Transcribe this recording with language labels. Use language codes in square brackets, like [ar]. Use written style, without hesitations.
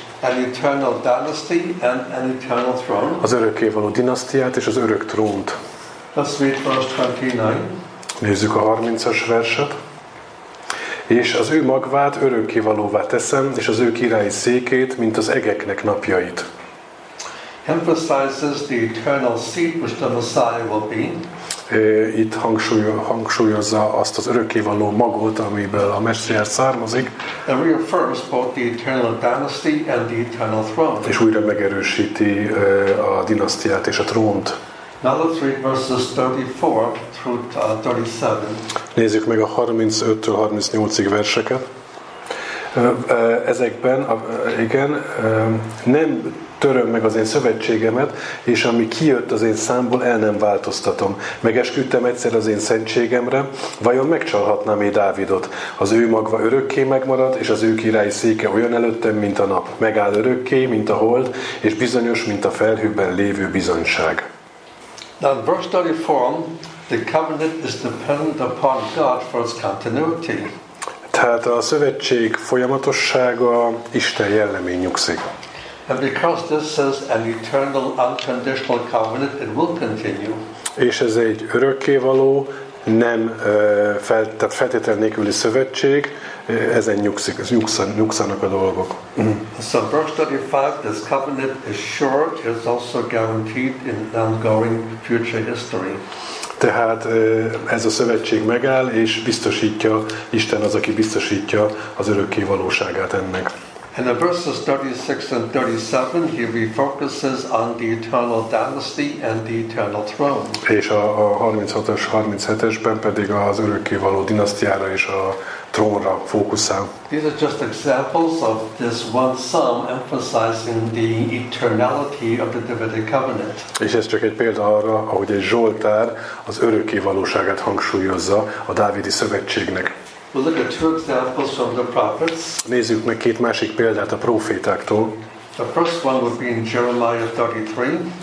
[en] An eternal dynasty and an eternal throne. [hu] Az örökkévaló dinasztiát és az örök trónt. [en] Let's read verse 29. [hu] Nézzük a 30-as verset. És az ő magvát örökkévalóvá teszem, és az ő királyi székét, mint az egeknek napjait. [en] Emphasizes the eternal seat which the Messiah will be. [hu] Itt hangsúlyozza azt az örökkévaló magot, amiből a Messiás származik. [en] And reaffirms both the eternal dynasty and the eternal throne. [hu] És újra megerősíti a dinasztiát és a trónt. [en] Now let's read verses 34 through 37. [hu] Nézzük meg a 35-től 38-ig verseket. Ezekben, igen, nem töröm meg az én szövetségemet, és ami kijött az én számból, el nem változtatom. Megesküdtem egyszer az én szentségemre, vajon megcsalhatnám én Dávidot? Az ő magva örökké megmarad, és az ő királyi széke olyan előttem, mint a nap. Megáll örökké, mint a hold, és bizonyos, mint a felhőben lévő bizonyság. [en] Now, verse 34, the covenant is dependent upon God for its continuity. [hu] Tehát a szövetség folyamatossága Isten jellemén nyugszik. [en] And because this is an eternal, unconditional covenant, it will continue. [hu] És ez egy örökkévaló, nem feltétel nélküli szövetség, ezen nyugszik, nyugszanak a dolgok. [en] So verse 35, this covenant is sure, it's also guaranteed in ongoing future history. [hu] Tehát ez a szövetség megáll, és biztosítja, Isten az, aki biztosítja az örökké valóságát ennek. [en] And in verses 36 and 37, he refocuses on the eternal dynasty and the eternal throne. [hu] És a 36-as, 37-esben pedig az örökké való dinasztiára és a trónra fókuszál. [en] These are just examples of this one psalm emphasizing the eternality of the Davidic covenant. [hu] És ez csak egy példa arra, ahogy egy Zsoltár az örökké valóságát hangsúlyozza a dávidi szövetségnek. [en] We'll look at two examples from the prophets. [hu] Nézzük meg két másik példát a prófétáktól. [en] The first one would be in Jeremiah 33.